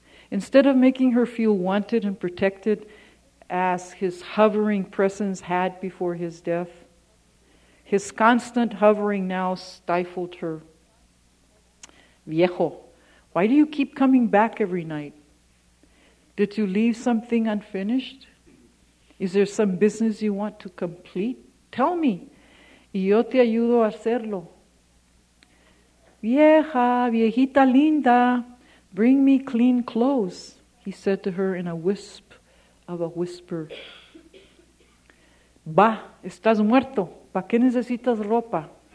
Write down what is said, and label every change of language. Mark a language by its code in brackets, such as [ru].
[en] Instead of making her feel wanted and protected, as his hovering presence had before his death, his constant hovering now stifled her. "Viejo, why do you keep coming back every night? Did you leave something unfinished? Is there some business you want to complete? Tell me, [es] y yo te ayudo a hacerlo." "Vieja, viejita linda, [en] bring me clean clothes," he said to her in a wisp of a whisper. [es] "Va, estás muerto. ¿Pa qué necesitas ropa?"